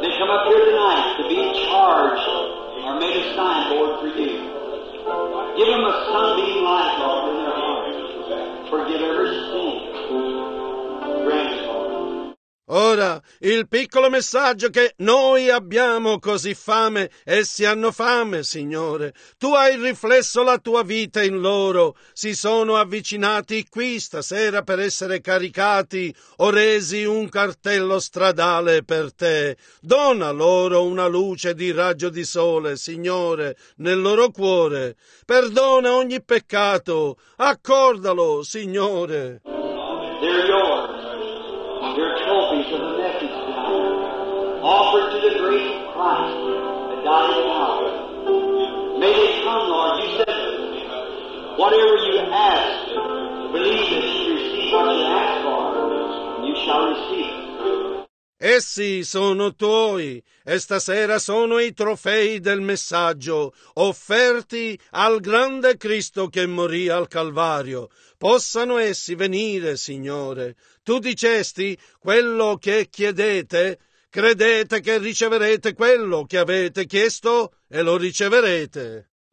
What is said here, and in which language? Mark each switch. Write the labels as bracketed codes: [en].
[en] They come up here tonight to be charged or made a signboard for you. Give them a sunbeam life, Lord, in their heart. Forgive every sin. [it] Ora, il piccolo messaggio che noi abbiamo così fame, essi hanno fame, Signore. Tu hai riflesso la tua vita in loro. Si sono avvicinati qui stasera per essere caricati o resi un cartello stradale per te. Dona loro una luce di raggio di sole, Signore, nel loro cuore. Perdona ogni peccato. Accordalo, Signore. [en] Your trophies of the message tonight, offered to the great Christ that died in the hour. May they come, Lord. You said, whatever you ask, believe that you receive what you ask for, and you shall receive. [it] Essi sono tuoi, e stasera sono i trofei del messaggio, offerti al grande Cristo che morì al Calvario. Possano essi venire, Signore. Tu dicesti, quello che chiedete, credete che riceverete quello che avete chiesto e lo riceverete.